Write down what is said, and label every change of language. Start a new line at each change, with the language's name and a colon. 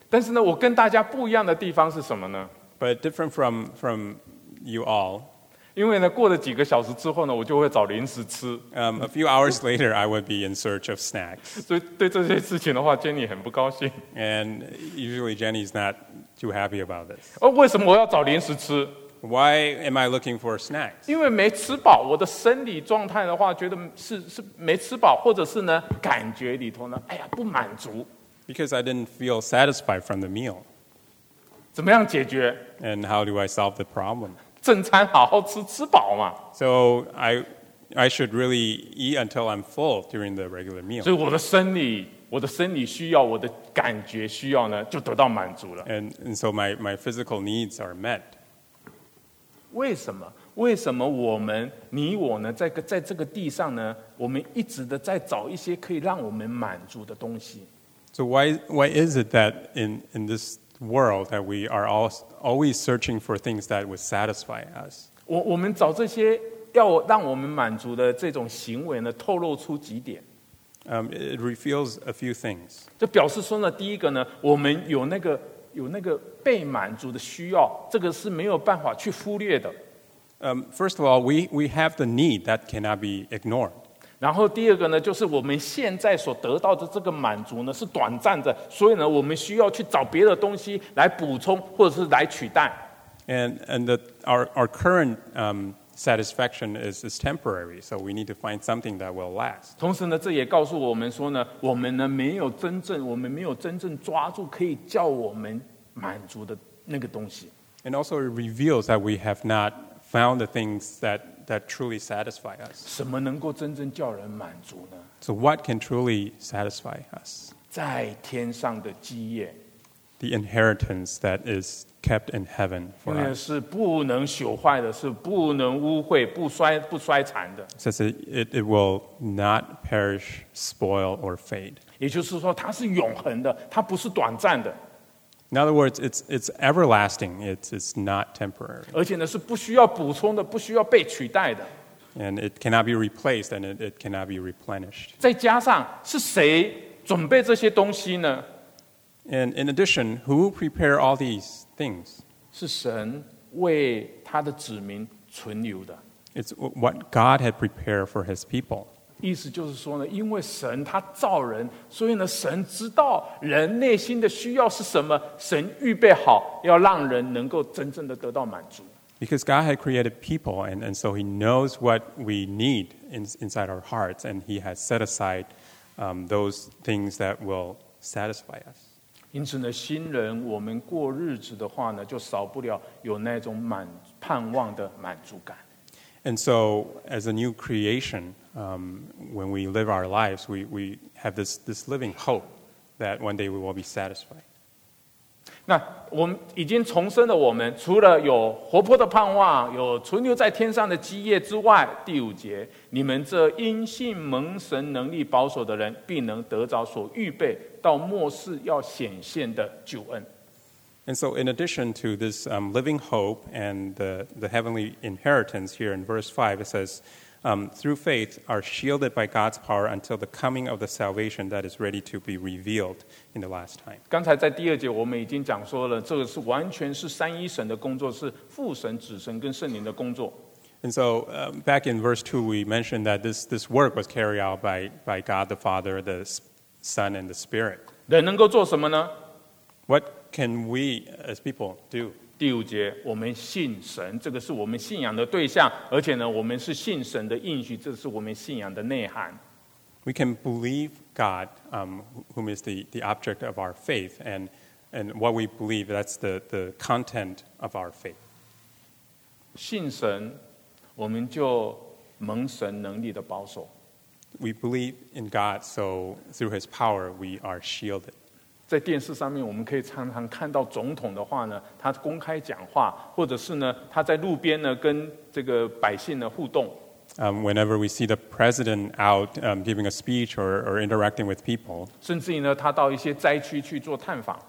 Chinese: 但是呢，我跟大家不一样的地方是什么呢？
English: But different from you all.
Chinese: 因为呢，过了几个小时之后呢，我就会找零食吃。
English: A few hours later, I would be in search of snacks.
Chinese: 所以对这些事情的话 ，Jenny 很不高兴。
English: And usually, Jenny is not too happy about this.
Chinese: 哦，为什么我要找零食吃
English: ？Why am I looking for snacks?
Chinese: 因为没吃饱，我的生理状态的话，觉得是没吃饱，或者是呢，感觉里头呢，哎呀，不满足。
English: Because I didn't feel satisfied from the meal.
Chinese: 怎么样解决
English: ？And how do I solve the problem?
Chinese: 正餐好好吃，吃饱嘛。
English: So I should really eat until I'm full during the regular meal.
Chinese: 所以我的生理需要，我的感觉需要呢，就得到满足了。
English: And so my physical needs are met.
Chinese: 为什么？为什么我们你我呢，在这个地上呢，我们一直的在找一些可以让我们满足的东西
English: ？So why is it that in this world that we are always searching for things that would satisfy us.
Chinese: 我们找这些要让我们满足的这种行为呢，透露出几点。
English: It reveals a few things.
Chinese: 这表示说呢，第一个呢，我们有那个被满足的需要，这个是没有办法去忽略的。
English: First of all, we have the need that cannot be ignored.
Chinese: 然后第二个呢，就是我们现在所得到的这个满足呢是短暂的，所以呢，我们需要去找别的东西来补充或者是来取代。
English: And our current satisfaction is temporary, so we need to find something that will last.
Chinese: 同时呢，这也告诉我们说呢，我们没有真正抓住可以叫我们满足的那个东西。
English: And also it reveals that we have not found the things that truly satisfy us.
Chinese: 什么能够真正叫人满足呢？
English: So what can truly satisfy us?
Chinese: 在天上的基业。
English: The inheritance that is kept in heaven for us.
Chinese: 是不能朽坏的，是不能污秽，不衰残的。
English: It says it will not perish, spoil, or fade.
Chinese: 也就是说它是永恒的，它不是短暂的。
English: In other words, it's everlasting. It's not temporary.
Chinese: 而且呢，是不需要补充的，不需要被取代的。
English: And it cannot be replaced, and it cannot be replenished.
Chinese: 再加上是谁准备这些东西呢？
English: And in addition, who prepare all these things?
Chinese: 是神为他的子民存留的。
English: It's what God had prepared for His people.
Chinese: 意思就是说呢，因为神他造人，所以呢，神知道人内心的需要是什么，神预备好要让人能够真正的得到满足。
English: Because God had created people, and so He knows what we need inside our hearts, and He has set aside those things that will satisfy us.
Chinese: 因此呢，新人我们过日子的话呢，就少不了有那种盼望的满足感。
English: And so, as a new creation, when we live our lives, we have this living hope that one day we will be satisfied.
Chinese: 那我们已经重生的我们，除了有活泼的盼望，有存留在天上的基业之外，第五节，你们这因信蒙神能力保守的人，必能得着所预备到末世要显现的救恩。
English: And so in addition to this living hope and the heavenly inheritance here in verse 5, it says, through faith are shielded by God's power until the coming of the salvation that is ready to be revealed in the last time.
Chinese: 刚才在第二节我们已经讲说了，这个是完全是三一神的工作，是父神、子神跟圣灵的工作。
English: And so back in verse 2, we mentioned that this work was carried out by God the Father, the Son, and the Spirit.
Chinese: 人能够做什么呢？
English: What can we as people do?
Chinese: 第五节，我们信神，这个是我们信仰的对象，而且呢，我们是信神的应许，这是我们信仰的内涵。
English: We can believe God, whom is the object of our faith, and what we believe, that's the content of our faith.
Chinese: 信神，我们就蒙神能力的保守。
English: We believe in God, so through His power, we are shielded.
Chinese: 在电视上面我们可以常常看到总统的话呢，他公开讲话，或者是呢他在路边呢跟这个百姓呢互动。
English: Whenever we see the president out giving a speech or interacting with people,
Chinese: 甚至于呢他到一些灾区去做探访。